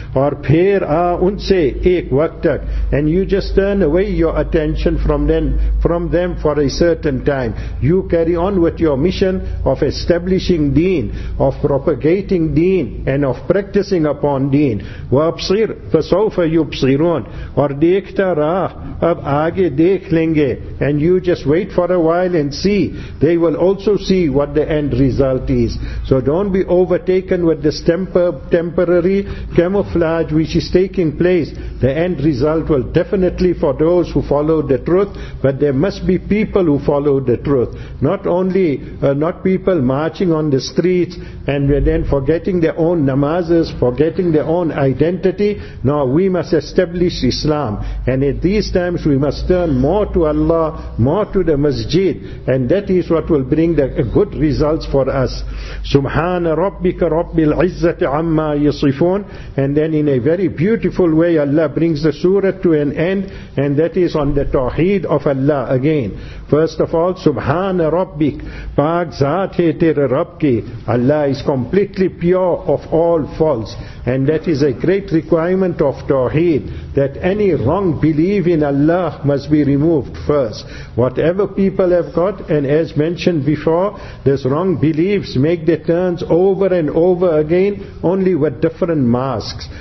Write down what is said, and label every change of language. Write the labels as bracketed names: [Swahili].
[Urdu] اور پھر آ ان سے ایک وقت تک. [English] And you just turn away your attention from them for a certain time. You carry on with your mission of establishing deen, of propagating deen, and of practicing upon deen. [Arabic] وَأَبْصِرْ فَسَوْفَ يُبْصِرُونَ. [Urdu] اور دیکھتا راہ اب آگے دیکھ لیں گے. [English] And you just wait for a while and see. They will also see what the end result is. So don't be overtaken with this temporary camouflage which is taking place. The end result will definitely for those who follow the truth, but there must be people who follow the truth. Not only not people marching on the streets and then forgetting their own namazes, forgetting their own identity. No, we must establish Islam. And at these times we must turn more to Allah, more to the masjid. And that is what will bring the good results for us. [Arabic] سبحان ربك رب العزة عما يصفون. [English] And then in a very beautiful way Allah brings the surah to an end, and that is on the tawheed of Allah again. First of all, [Arabic] سبحان ربك, [Urdu] پاک ذات ہے تیرے رب کی. [English] Allah is completely pure of all faults, and that is a great requirement of tawheed. need that any wrong belief in Allah must be removed first. Whatever people have got, and as mentioned before, these wrong beliefs make their turns over and over again, only with different masks.